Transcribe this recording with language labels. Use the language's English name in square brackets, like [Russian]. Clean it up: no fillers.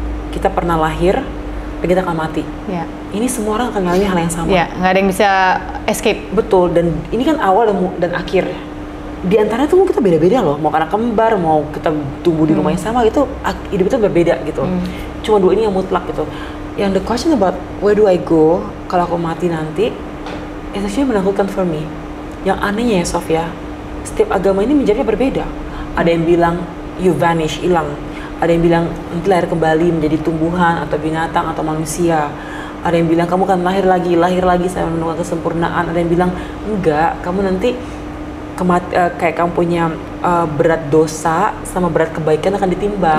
[Indonesian] Kita pernah lahir, dan kita akan mati. [English] Yeah. [Indonesian] Ini semua orang akan ngalami hal yang sama. Yeah, gak ada yang bisa escape. Betul, dan ini kan awal dan akhir. Di antara itu kita beda-beda loh, mau anak kembar, mau kita tumbuh di rumah yang sama, itu hidup itu berbeda gitu. Cuma dua ini yang mutlak gitu. [English] Yang the question about where do I go [Indonesian] kalau aku mati nanti, [English] it's actually menakutkan for me. [Indonesian] Yang anehnya ya Sofia, setiap agama ini menjadinya berbeda. Ada yang bilang [English] you vanish, [Indonesian] hilang. Ada yang bilang nanti lahir kembali menjadi tumbuhan atau binatang atau manusia. Ada yang bilang kamu akan lahir lagi sampai menemukan kesempurnaan. Ada yang bilang enggak, kamu nanti kayak kamu punya berat dosa sama berat kebaikan akan ditimbang.